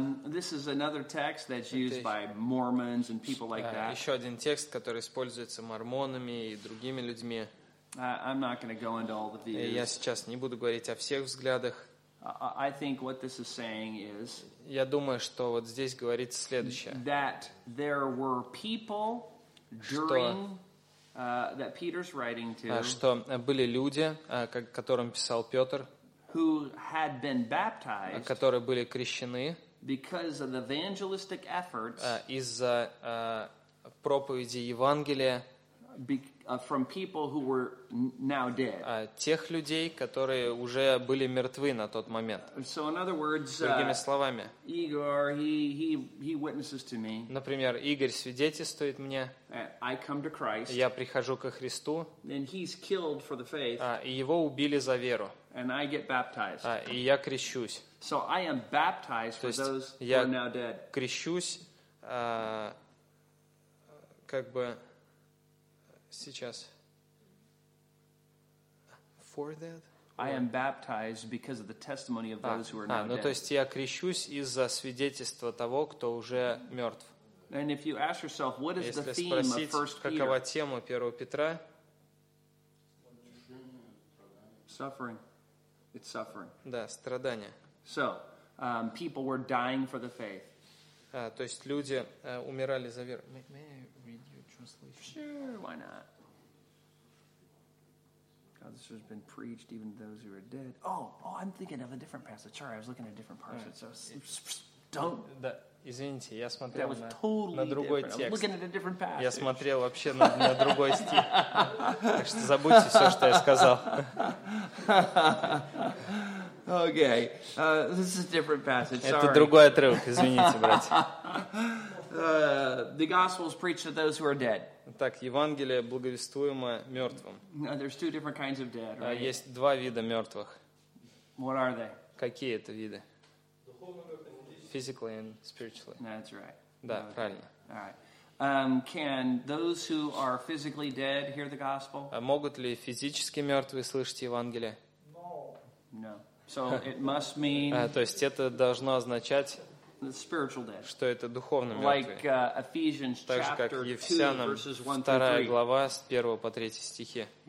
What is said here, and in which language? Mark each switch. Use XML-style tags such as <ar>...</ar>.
<en>This is another text that's used by Mormons and people like that.</en> <ru>Еще один текст, который используется мормонами и другими людьми.</ru> <en>I'm not going to go into all the views.</en> <ru>Я сейчас не буду говорить о всех взглядах.</ru> <en>I think what this is saying is.</en> <ru>Я думаю, что вот здесь говорится следующее.</ru> <en>That there were people during that Peter's writing to.</en> <ru>Что были люди, которым писал Петр.</ru> <en>Who had been baptized?</en> <ru>Которые были крещены.</ru> <en>Because of the evangelistic efforts.</en> <ru>Из-за проповеди Евангелия.</ru> <en>From people who were now dead.</en> <ru>Тех людей, которые уже были мертвы на тот момент.</ru> <en>So in other words,</en> <ru>другими словами.</ru> <en>Igor, he witnesses to me.</en> <ru>Например, Игорь свидетельствует мне.</ru> <en>I come to Christ.</en> <ru>Я прихожу ко Христу.</ru> <en>And he's killed for the faith.</en> <ru>Его убили за веру.</ru> <en>And I get baptized.</en> <ru>И я крещусь.</ru> <en>So I am baptized for those who are now dead.</en> <ru>Я крещусь, как бы. Сейчас.</ru> <en>For that? I am baptized because of the testimony of those who are now dead.</en> <ru>То есть я крещусь из-за свидетельства того, кто уже мертв.</ru> <en>And if you ask yourself, what is the theme of First Peter?</en> <ru>Если спросить, какова тема Первого Петра?</ru> <en>Suffering. It's suffering.</en> <ru>Да, страдания.</ru> <en>So, people were dying for the faith.</en> <ru>То есть люди умирали за веру.</ru> <en>May I read your translation? Sure, why not? Oh, this has been preached even to those who are dead. Oh, I'm thinking of a different passage. Sorry, I was looking at a different part. Right. So, don't.</en> <ru>Да, извините, я смотрел</ru> <en>that was totally</en> <ru>на другой</ru> <en>different.</en> <ru>Текст.</ru> <en>I'm looking at a different passage.</en> <ru>Я смотрел вообще на другой стих. Так что забудьте все, что я сказал.</ru> <en>Okay, this is a different passage.</en> <ru>Это другой отрывок, извините, братья.</ru> <en>The gospel's preached to those who are dead.</en> <ru>Так, Евангелие благовествуемо мертвым.</ru> <en>There's two different kinds of dead, right?</en> <ru>Есть два вида мертвых.</ru> <en>What are they?</en> <ru>Какие это виды?</ru> <en>Physically and spiritually. That's right.</en> <ru>Да, okay. Правильно.</ru> <en>All right. Can those who are physically dead hear the gospel?</en> <ru>Могут ли физически мертвые слышать Евангелие?</ru> <en>No. No. So it must mean.</en> <ru>То есть это должно означать. Что это духовно мертвый. Так же, как Ефесянам 2 глава с 1 по 3 стихи.</ru>